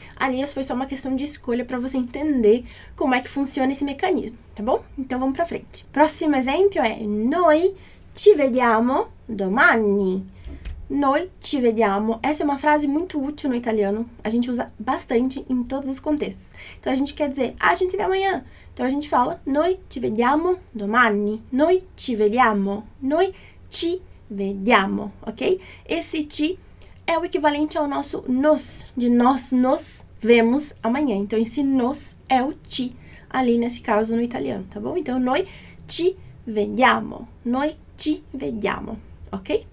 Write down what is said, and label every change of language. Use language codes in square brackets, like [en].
[pt] Ali isso foi só uma questão de escolha para você entender como é que funciona esse mecanismo, tá bom? Então vamos para frente. Próximo exemplo é [it] noi ci vediamo domani. Noi ci vediamo. [pt] Essa é uma frase muito útil no italiano. A gente usa bastante em todos os contextos. Então a gente quer dizer, a gente se vê amanhã. Então a gente fala, [it] noi ci vediamo domani. Noi ci vediamo. Noi ci vediamo, ok? [pt] Esse ti é o equivalente ao nosso nos, de nós nos vemos amanhã. Então esse nos é o ti ali nesse caso no italiano, tá bom? Então [it] noi ci vediamo. Noi ci vediamo, ok?